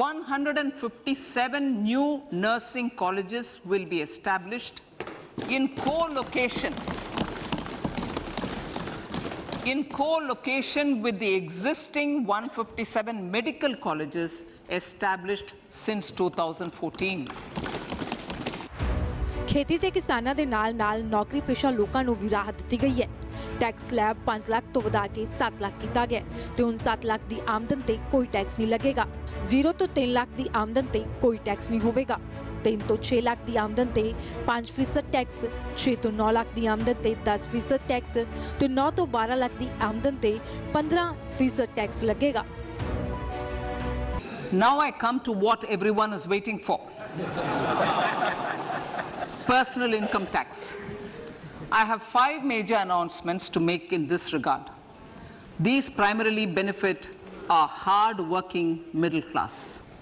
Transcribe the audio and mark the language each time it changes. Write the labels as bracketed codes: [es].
[en] 157 new nursing colleges will be established in co-location with the existing 157 medical colleges established since 2014. [pa] ਖੇਤੀ ਤੇ ਕਿਸਾਨਾਂ ਦੇ ਨਾਲ ਨਾਲ ਨੌਕਰੀ ਪੇਸ਼ਾ ਲੋਕਾਂ ਨੂੰ ਵੀ ਰਾਹਤ ਦਿੱਤੀ ਗਈ ਹੈ। ਟੈਕਸ ਸਲੈਬ 5 ਲੱਖ ਤੋਂ ਵਧਾ ਕੇ 7 ਲੱਖ ਕੀਤਾ ਗਿਆ ਤੇ ਹੁਣ 7 ਲੱਖ ਦੀ ਆਮਦਨ ਤੇ ਕੋਈ ਟੈਕਸ ਨਹੀਂ ਲੱਗੇਗਾ। 0 ਤੋਂ 3 ਲੱਖ ਦੀ ਆਮਦਨ ਤੇ ਕੋਈ ਟੈਕਸ ਨਹੀਂ ਹੋਵੇਗਾ। 3 ਤੋਂ 6 ਲੱਖ ਦੀ ਆਮਦਨ ਤੇ 5% ਟੈਕਸ, 6 ਤੋਂ 9 ਲੱਖ ਦੀ ਆਮਦਨ ਤੇ 10% ਟੈਕਸ ਤੇ 9 ਤੋਂ 12 ਲੱਖ ਦੀ ਆਮਦਨ ਤੇ 15% ਟੈਕਸ ਲੱਗੇਗਾ। [en] Now I come to what everyone is waiting for. Personal income tax. I have 5 major announcements to make in this regard. These primarily benefit our hard-working middle class.